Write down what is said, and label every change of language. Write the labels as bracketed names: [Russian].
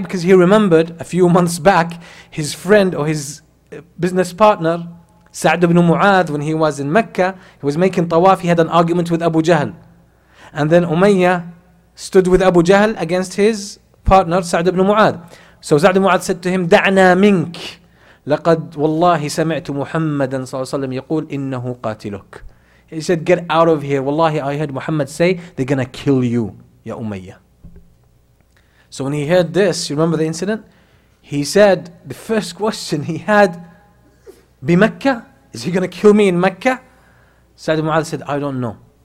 [English] Because he remembered a few months back his friend or his business partner, Sa'd ibn Mu'adh, when he was in Mecca, he was making tawaf, he had an argument with Abu Jahl. And then Umayya stood with Abu Jahl against his partner, Sa'd ibn Mu'adh. So Sa'd ibn Mu'adh said to him, [Arabic] Da'na mink. لقد والله سمعت محمدا صلى الله عليه وسلم يقول إنه قاتلك. [English] He said, get out of here. Wallahi, I heard Muhammad say, they're gonna kill you, Ya Umayya. So when he heard this, you remember the incident? He said, the first question he had, [Arabic] بمكة? [English] Is he gonna kill me in Mecca? Sa'd ibn Mu'adh said, I don't know.